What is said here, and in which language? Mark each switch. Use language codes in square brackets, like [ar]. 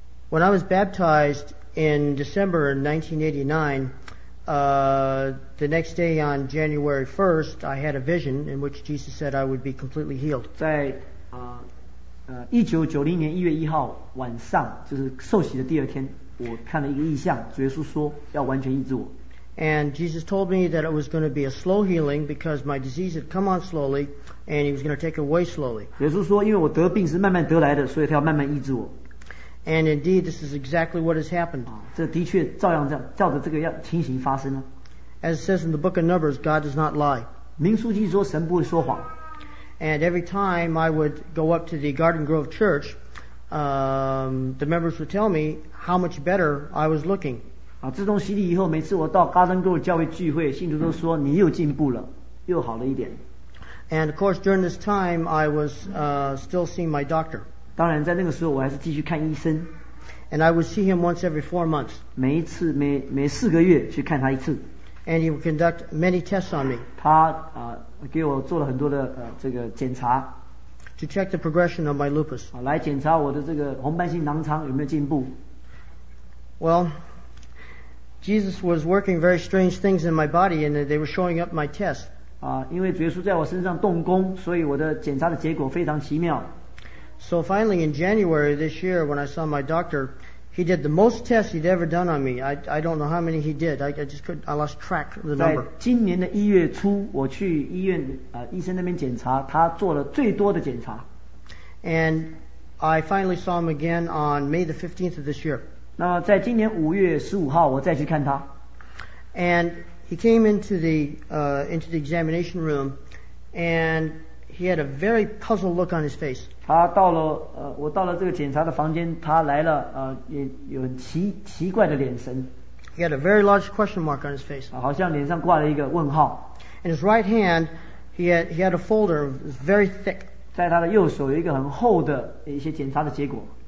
[en] When I was baptized in December 1989, the next day on January 1st, I had a vision in which Jesus said I would be completely healed. [zh] 在1990年1月1号晚上，就是受洗的第二天，我看了一个异象，主耶稣说要完全医治我。 [en] And Jesus told me that it was going to be a slow healing because my disease had come on slowly and he was going to take it away slowly. [zh] 耶稣说因为我得病是慢慢得来的，所以他要慢慢医治我。 [en] And indeed, this is exactly what has happened. [zh] 这的确照样这样照着这个样情形发生了。 [en] As it says in the book of Numbers, God does not lie. [zh] 民数记说神不会说谎。 [en] And every time I would go up to the Garden Grove Church, the members would tell me how much better I was looking. [zh] 自从洗礼以后，每次我到 Garden Grove 教会聚会，信徒都说你又进步了，又好了一点。 [en] And of course, during this time, I was still seeing my doctor. [zh] 当然在那个时候我还是继续看医生。 [en] And I would see him once every 4 months. [zh] 每四个月去看他一次。 [en] And he would conduct many tests on me. [zh] 他给我做了很多的这个检查。 [en] To check the progression of my lupus. [zh] 来检查我的这个红斑性囊疮有没有进步。 [en] Well, Jesus was working very strange things in my body and they were showing up my tests. [zh] 因为主耶稣在我身上动工，所以我的检查的结果非常奇妙。 [en] So finally, in January this year, when I saw my doctor, he did the most tests he'd ever done on me. I don't know how many he did. I lost track of the number. [zh] 在今年的一月初，我去医院医生那边检查，他做了最多的检查。 [en] And I finally saw him again on May the 15th of this year. [zh] 那在今年五月十五号，我再去看他。 [en] And he came into the examination room, and he had a very puzzled look on his face. [zh] 他到了我到了这个检查的房间，他来了也有很奇怪的脸神。 [en] He had a very large question mark on his face. [zh] 好像脸上挂了一个问号。 [en] In his right hand, he had a folder that was very thick. [zh] 在他的右手有一个很厚的一些检查的结果。